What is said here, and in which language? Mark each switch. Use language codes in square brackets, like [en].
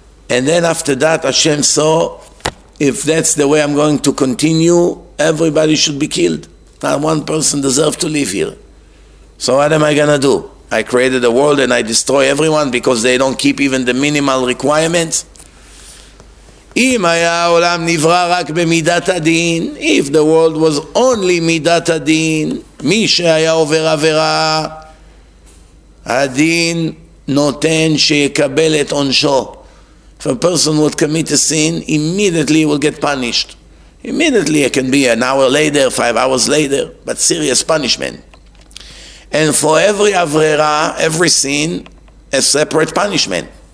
[en] And then after that, Hashem saw, if that's the way I'm going to continue, everybody should be killed. Not one person deserves to live here. So what am I going to do? I created a world and I destroy everyone because they don't keep even the minimal requirements. [he] אם היה העולם נברא רק במידת הדין, [en] if the world was only [he] מידת הדין, מי שהיה עובר עבירה, הדין נותן שיקבל את עונשו. [en] If a person would commit a sin, immediately he will get punished. Immediately it can be an hour later, 5 hours later, but serious punishment. And for every avrera, every sin, a separate punishment.